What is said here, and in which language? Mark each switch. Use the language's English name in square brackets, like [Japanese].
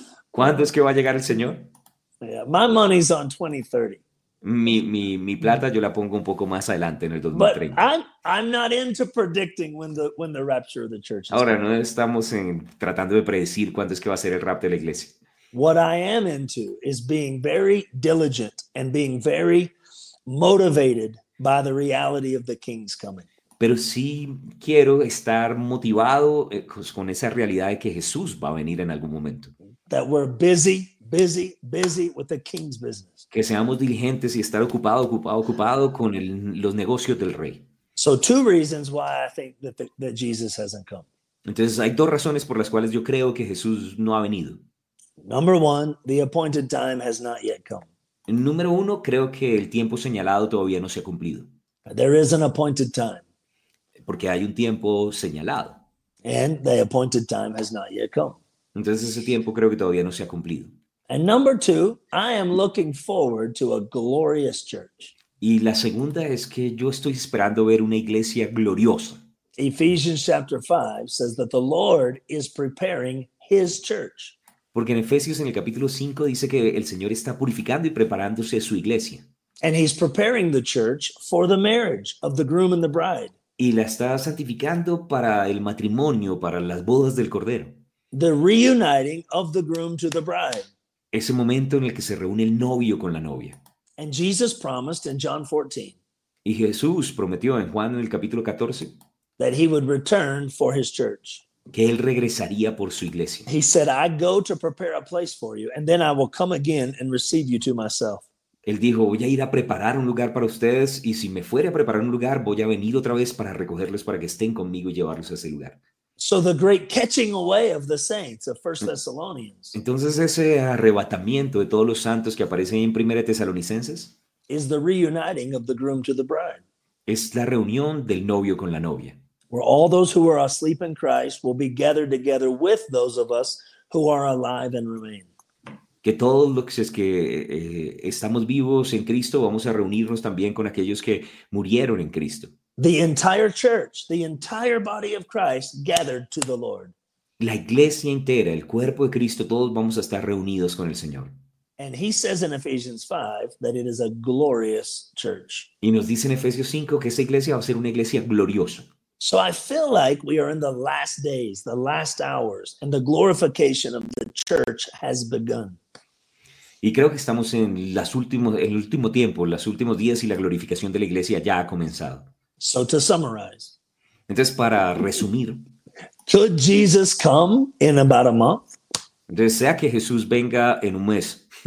[Spanish] ¿Cuándo es que va a llegar el Señor? [English] Yeah, my money's on 2030. [Spanish] Mi plata yo la pongo un poco más adelante en el 2030. [English] But I'm not into predicting when the rapture of the church is. [Spanish] Ahora, no estamos en tratando de predecir cuándo es que va a ser el rapto de la iglesia. [English] What I am into is being very diligent and being very motivated by the reality of the king's coming. [Spanish] Pero sí quiero estar motivado con esa realidad de que Jesús va a venir en algún momento. [English] That we're busy, busy, busy with the king's business. [Spanish] Que seamos diligentes y estar ocupado con los negocios del rey. [English] So two reasons why I think that Jesus hasn't come. [Spanish] Entonces hay dos razones por las cuales yo creo que Jesús no ha venido. [English] Number one, the appointed time has not yet come. [Spanish] Número uno, creo que el tiempo señalado todavía no se ha cumplido. [English] There is an appointed time. [Spanish] Porque hay un tiempo señalado. [English] And the appointed time has not yet come. [Spanish] Entonces ese tiempo creo que todavía no se ha cumplido. [English] And number two, I am looking forward to a glorious church. [Spanish] Y la segunda es que yo estoy esperando ver una iglesia gloriosa. [English] Ephesians chapter 5 says that the Lord is preparing his church. [Spanish] Porque en Efesios en el capítulo 5 dice que el Señor está purificando y preparándose su iglesia. [English] And he's preparing the church for the marriage of the groom and the bride. [Spanish] Y la está santificando para el matrimonio, para las bodas del cordero. [English] The reuniting of the groom to the bride. [Spanish] Ese momento en el que se reúne el novio con la novia. [English] And Jesus promised in John 14. [Spanish] Y Jesús prometió en Juan en el capítulo 14. [English] That he would return for his church. [Spanish] Que él regresaría por su iglesia. [English] He said, I go to prepare a place for you, and then I will come again and receive you to myself. [Spanish] Él dijo, voy a ir a preparar un lugar para ustedes y si me fuere a preparar un lugar, voy a venir otra vez para recogerlos para que estén conmigo y llevarlos a ese lugar. [English] So the great catching away of the saints of 1 Thessalonians. [Spanish] Entonces ese arrebatamiento de todos los santos que aparece en 1 Tesalonicenses [English] is the reuniting of the groom to the bride. [Spanish] Es la reunión del novio con la novia. [English] where all those who are asleep in Christ will be gathered together with those of us who are alive and remain. [Spanish] Que todos los que estamos vivos en Cristo vamos a reunirnos también con aquellos que murieron en Cristo. [English] The entire church, the entire body of Christ gathered to the Lord. [Spanish] La iglesia entera, el cuerpo de Cristo, todos vamos a estar reunidos con el Señor. [English] And he says in Ephesians 5 that it is a glorious church. [Spanish] Y nos dice en Efesios 5 que esa iglesia va a ser una iglesia gloriosa. [English] So I feel like we are in the last days, the last hours, and the glorification of the church has begun. [Spanish] Y creo que estamos en el último tiempo, los últimos días, y la glorificación de la iglesia ya ha comenzado. [English] So to summarize. [Spanish] Entonces, para resumir. [English] Could Jesus come in about a month? [Spanish] ¿Desea que Jesús venga en un mes?